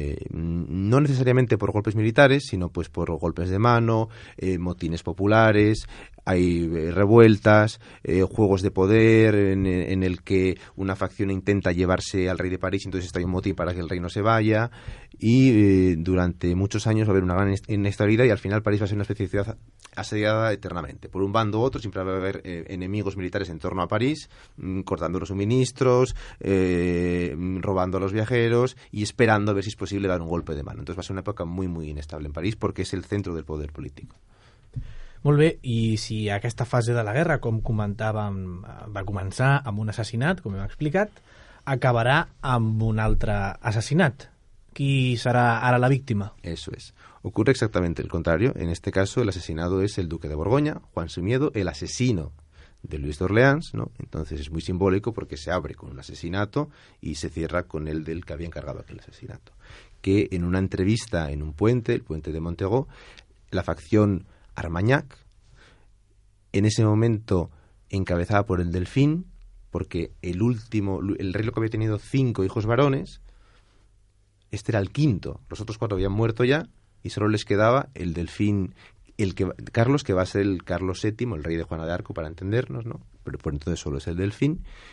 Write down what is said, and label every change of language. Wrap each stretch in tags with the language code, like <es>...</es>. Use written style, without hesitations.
<es>No necesariamente por golpes militares, sino pues por golpes de mano, motines populares, hay revueltas, juegos de poder en el que una facción intenta llevarse al rey de París, entonces está ahí un motín para que el rey no se vaya, y durante muchos años va a haber una gran inestabilidad y al final París va a ser una especie de ciudad asediada eternamente. Por un bando u otro siempre va a haber enemigos militares en torno a París, cortando los suministros, robando a los viajeros y esperando a ver si es posible dar un golpe de mano. Entonces va a ser una época muy muy inestable en París porque es el centro del poder político.</es> <ca>Molt bé, i si aquesta fase de la guerra, com comentàvem, va començar amb un assassinat, com hem explicat, acabarà amb un altre assassinat. ¿Qui serà ara la víctima?</ca> <es>Eso es. Ocurre exactamente el contrario. En este caso, el asesinado es el duque de Borgoña, Juan Sumiedo, el asesino de Luis de Orleans, ¿no? Entonces es muy simbólico porque se abre con un asesinato y se cierra con el del que había encargado aquel asesinato. Que en una entrevista en un puente, el puente de Montego, la facción Armagnac, en ese momento encabezada por el delfín, porque el rey lo que había tenido 5 hijos varones, este era el quinto, los otros 4 habían muerto ya y solo les quedaba el delfín, Carlos, que va a ser el Carlos VII, el rey de Juana de Arco, para entendernos, ¿no? Pero por entonces solo es el delfín,</es>